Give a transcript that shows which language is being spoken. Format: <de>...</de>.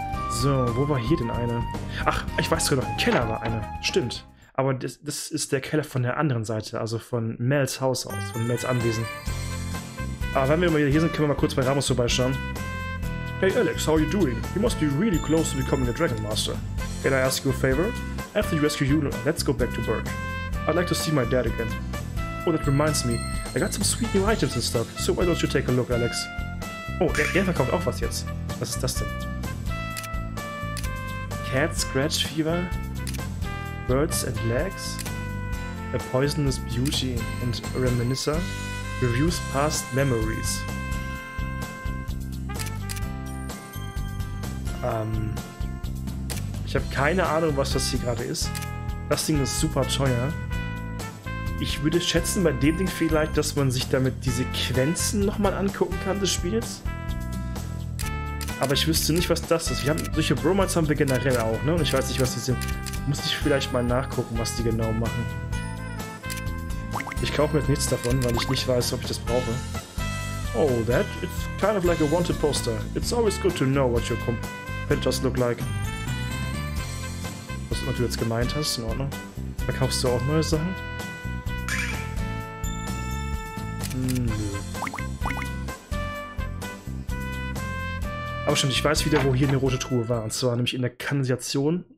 <de>So, wo war hier denn eine? Ach, ich weiß sogar noch, im Keller war eine. Stimmt. Aber das ist der Keller von der anderen Seite, also von Mels Haus aus, von Mels Anwesen. Aber wenn wir mal wieder hier sind, können wir mal kurz bei Ramos vorbeischauen.</de> <en>Hey Alex, how are you doing? You must be really close to becoming a Dragon Master. Can I ask you a favor? After you rescue Yuna, let's go back to Berg. I'd like to see my dad again. Oh, that reminds me, I got some sweet new items and stuff, so why don't you take a look, Alex?</en> <de>Oh, er verkauft auch was jetzt. Was ist das denn?</de> <en>Cat Scratch Fever? Birds and Legs? A Poisonous Beauty and Reminiscer? Reviews Past Memories?</en> <de>Ich habe keine Ahnung, was das hier gerade ist. Das Ding ist super teuer. Ich würde schätzen, bei dem Ding vielleicht, dass man sich damit die Sequenzen nochmal angucken kann des Spiels. Aber ich wüsste nicht, was das ist. Solche Bromides haben wir generell auch, ne? Und ich weiß nicht, was die sind. Muss ich vielleicht mal nachgucken, was die genau machen. Ich kaufe mir jetzt nichts davon, weil ich nicht weiß, ob ich das brauche.</de> <en>Oh, that? It's kind of like a wanted poster. It's always good to know what your competitors look like.</en> <de>Was immer du jetzt gemeint hast, in Ordnung. Verkaufst du auch neue Sachen? Aber stimmt, ich weiß wieder, wo hier eine rote Truhe war. Und zwar nämlich in der Kanalisation.</de>